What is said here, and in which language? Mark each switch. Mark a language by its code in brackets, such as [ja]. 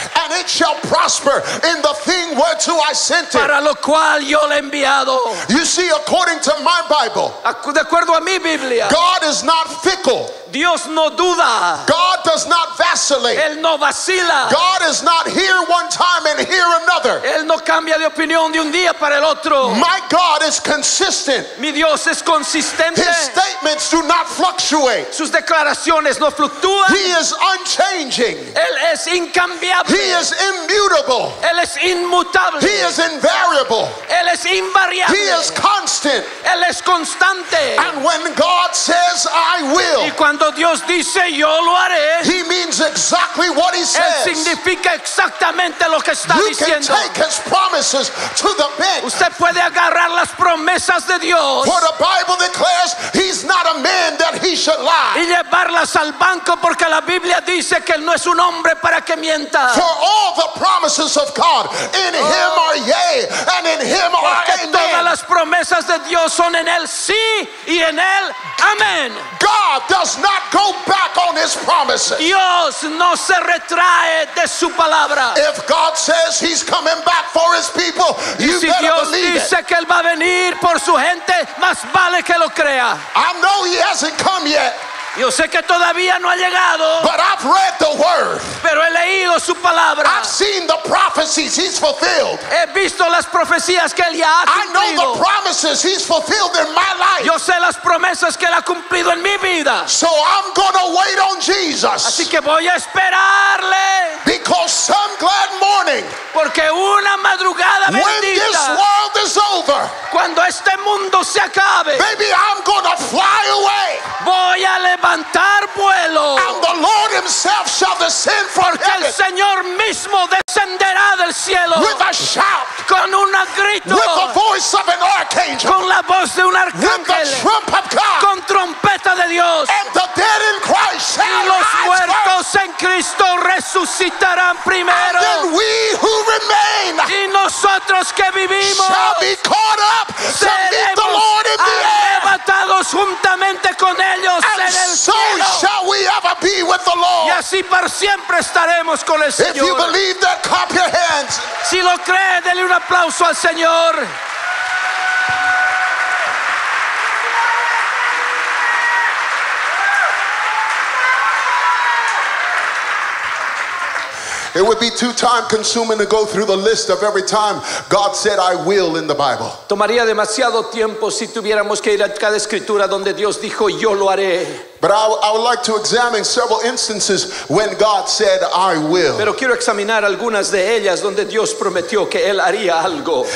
[en] And it shall prosper in the thing whereto I sent it. [es] Para lo cual yo le he enviado. [en] You see, according to my Bible, [es] de acuerdo a mi Biblia, [en] God is not fickle. [es] Dios no duda. [en] God does not vacillate. [es] Él no vacila. [en] God is not here one time and here another. [es] Él no cambia de opinión de un día para el otro. [en] My God is consistent. [es] Mi Dios es consistente. [en] His statements do not fluctuate. [es] Sus declaraciones no fluctúan. [en] He is unchanging. [es] Él es incambiable. [en] He is immutable. [es] Él es inmutable. [en] He is invariable. [es] Él es invariable. [en] He is constant. [es] Él es constante. [en] And when God says, I will, [es] cuando Dios dice yo lo haré, [en] he means exactly what he says. [es] Él significa exactamente lo que está [en] you [es] diciendo. [en] Can take his promises to the bank. [es] Usted puede agarrar las promesas de Dios. [en] For the Bible declares he's not a man that he should lie. [es] Y llevarlas al banco porque la Biblia dice que él no es un hombre para que mienta. [en] For all the promises of God in him are yea and in him are amen. [es] Todas las promesas de Dios son en él sí y en él amén. [en] God does not go back on his promises. [es] Dios no se retrae de su palabra. [en] If God says he's coming back for his people, [es] y [en] you [es] si [en] better [es] Dios [en] believe [es] dice [en] it. [es] Dice que él va a venir por su gente, más vale que lo crea. [en] I know he hasn't come yet. [es] Yo sé que todavía no ha llegado. [en] But I've read the word. [es] Pero he leído su palabra. [en] I've seen the prophecies he's fulfilled. [es] He visto las profecías que él ya ha cumplido. [en] I know the promises he's fulfilled in my life. [es] Yo sé las promesas que él ha cumplido en mi vida. [en] So I'm gonna wait on Jesus. [es] Así que voy a esperarle. [en] Because some glad morning. [es] Porque una madrugada bendita. [en] When this world is over. [es] Cuando este mundo se acabe. [en] Maybe I'm gonna fly away. [es] Voy a levantar vuelo. [en] And the Lord himself shall descend from [es] porque [en] heaven. [es] El Señor mismo descenderá del cielo. [en] With a shout. [es] Con un grito. [en] With the voice of an archangel. [es] Con la voz de un arcángel. [en] With the trump of God. [es] Con trompeta de Dios. [en] And the dead in Christ shall rise first. [es] Y los muertos en Cristo resucitarán primero. [en] And then we who remain. [es] Y nosotros que vivimos. [en] Shall be caught up to meet the Lord in the air. [es] Levantados juntamente con ellos. [en] So shall we ever be with the Lord. [es] Y así para siempre estaremos con el Señor. [en] If you believe that, clap your hands. [es] Si lo cree, dele un aplauso al Señor. [en] It would be too time consuming to go through the list of every time God said I will in the Bible. [es] Tomaría demasiado tiempo si tuviéramos que ir a cada escritura donde Dios dijo yo lo haré. [en] But I would like to examine several instances when God said, "I will." [es] Pero quiero examinar algunas de ellas donde Dios prometió que él haría algo.